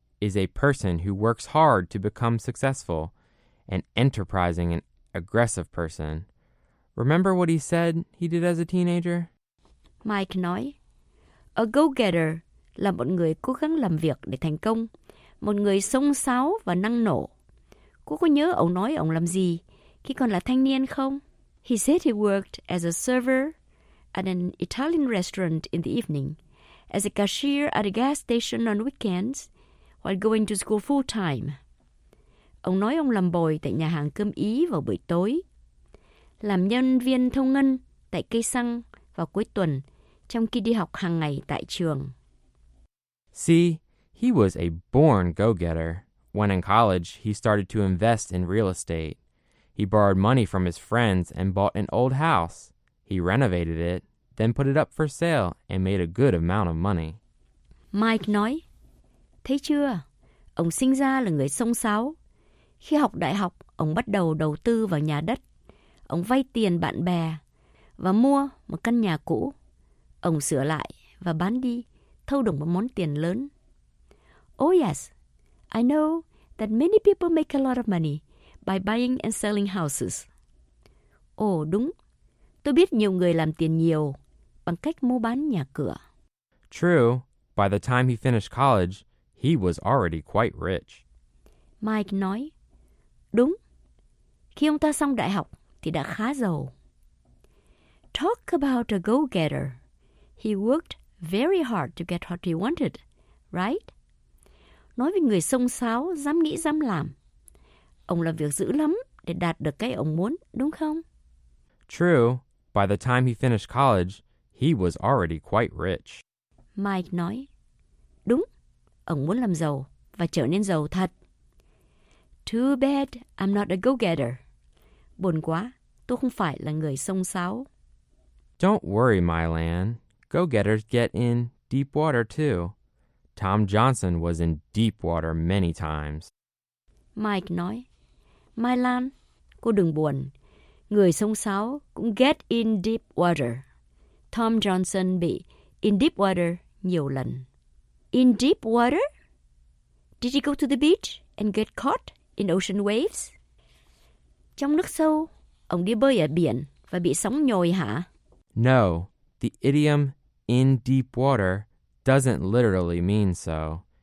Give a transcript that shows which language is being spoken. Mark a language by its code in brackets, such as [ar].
[en] Is a person who works hard to become successful, an enterprising and aggressive person. Remember what he said he did as a teenager? [vi] Mike nói, a go-getter là một người cố gắng làm việc để thành công, một người sống sáo và năng nổ. Cô có nhớ ông nói ông làm gì khi còn là thanh niên không? [en] He said he worked as a server at an Italian restaurant in the evening, as a cashier at a gas station on weekends, while going to school full-time. [vi] Ông nói ông làm bồi tại nhà hàng cơm Ý vào buổi tối, làm nhân viên thu ngân tại cây xăng vào cuối tuần, trong khi đi học hàng ngày tại trường. [en] See, he was a born go-getter. When in college, he started to invest in real estate. He borrowed money from his friends and bought an old house. He renovated it, then put it up for sale and made a good amount of money. [vi] Mike nói, thấy chưa, ông sinh ra là người xông xáo. Khi học đại học, ông bắt đầu đầu tư vào nhà đất. Ông vay tiền bạn bè và mua một căn nhà cũ. Ông sửa lại và bán đi, thâu được một món tiền lớn. [en] Oh yes, I know that many people make a lot of money by buying and selling houses. [vi] Oh, đúng. Tôi biết nhiều người làm tiền nhiều bằng cách mua bán nhà cửa. [en] True, by the time he finished college, he was already quite rich. [vi] Mike nói, đúng. Khi ông ta xong đại học thì đã khá giàu. [en] Talk about a go-getter. He worked very hard to get what he wanted, right? [vi] Nói về người xông xáo, dám nghĩ dám làm. Ông làm việc dữ lắm để đạt được cái ông muốn, đúng không? [en] True. By the time he finished college, he was already quite rich. [vi] Mike nói, đúng, ông muốn làm giàu và trở nên giàu thật. [en] Too bad I'm not a go-getter. [vi] Buồn quá, tôi không phải là người xông xáo. [en] Don't worry, Mylan. Go-getters get in deep water too. Tom Johnson was in deep water many times. [vi] Mike nói, Mylan, cô đừng buồn. Người xông xáo cũng get in deep water. Tom Johnson bị in deep water nhiều lần. [en] In deep water? Did he go to the beach and get caught in ocean waves? [vi] Trong nước sâu, ông đi bơi ở biển và bị sóng nhồi hả? [en] No, the idiom in deep water doesn't literally mean so.